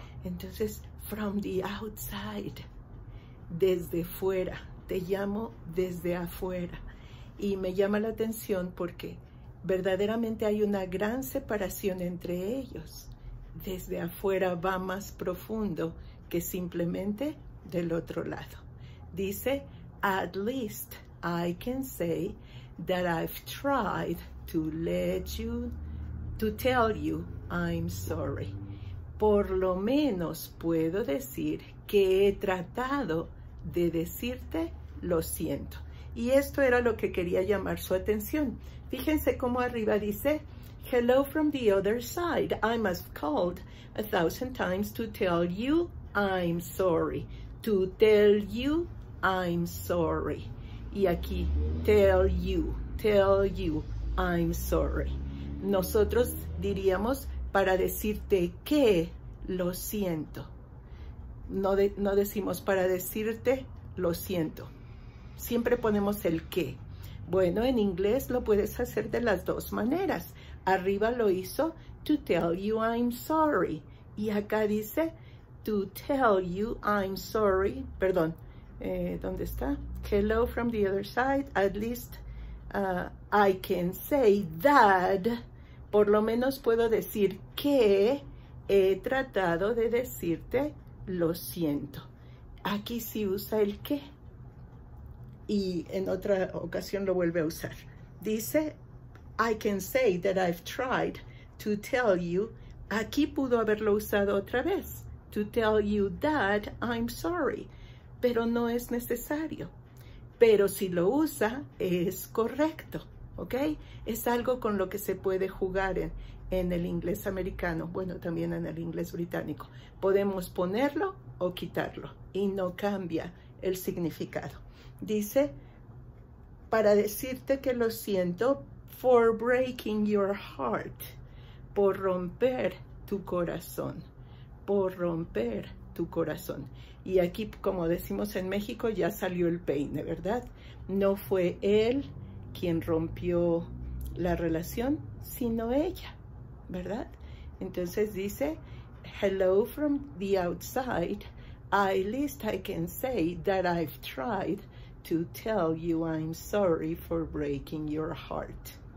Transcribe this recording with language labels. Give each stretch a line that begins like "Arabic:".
Spanish: Entonces,
English: from the outside,
Spanish: desde fuera, te llamo desde afuera. Y me llama la atención porque verdaderamente hay una gran separación entre ellos. Desde afuera va más profundo que simplemente del otro lado. Dice,
English: at least I can say that I've tried to let you, to tell you I'm sorry.
Spanish: Por lo menos puedo decir que he tratado de decirte lo siento. Y esto era lo que quería llamar su atención. Fíjense cómo arriba dice,
English: hello from the other side. I must have called a thousand times to tell you I'm sorry. To tell you I'm sorry.
Spanish: Y aquí,
English: tell you I'm sorry.
Spanish: Nosotros diríamos para decirte que lo siento. No decimos para decirte lo siento. Siempre ponemos el qué. Bueno, en inglés lo puedes hacer de las dos maneras. Arriba lo hizo
English: to tell you I'm sorry.
Spanish: Y acá dice
English: to tell you I'm sorry.
Spanish: Perdón, ¿dónde está?
English: Hello from the other side. At least I can say that.
Spanish: Por lo menos puedo decir que he tratado de decirte lo siento. Aquí sí usa el qué. Y en otra ocasión lo vuelve a usar. Dice,
English: I can say that I've tried to tell you.
Spanish: Aquí pudo haberlo usado otra vez.
English: To tell you that I'm sorry.
Spanish: Pero no es necesario. Pero si lo usa, es correcto. ¿Ok? Es algo con lo que se puede jugar en el inglés americano. Bueno, también en el inglés británico. Podemos ponerlo o quitarlo. Y no cambia el significado. Dice, para decirte que lo siento,
English: for breaking your heart,
Spanish: por romper tu corazón, por romper tu corazón. Y aquí, como decimos en México, ya salió el peine, ¿verdad? No fue él quien rompió la relación, sino ella, ¿verdad? Entonces dice,
English: hello from the outside, at least I can say that I've tried. To tell you I'm sorry for breaking your heart.